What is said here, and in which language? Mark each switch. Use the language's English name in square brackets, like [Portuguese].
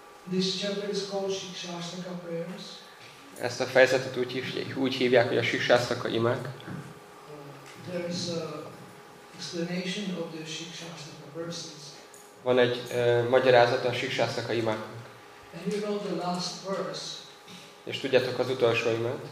[English] This chapter is called Shikshastaka prayers. [Hungarian] Ezt a fejezetet úgy hívják, hogy a Shikshastaka imák. [English] There is explanation of the Shikshastaka verses. [Hungarian] Van egy magyarázat a Shikshastaka imáknak. [English] And you know the last verse. [Hungarian] És tudjátok az utolsó imát.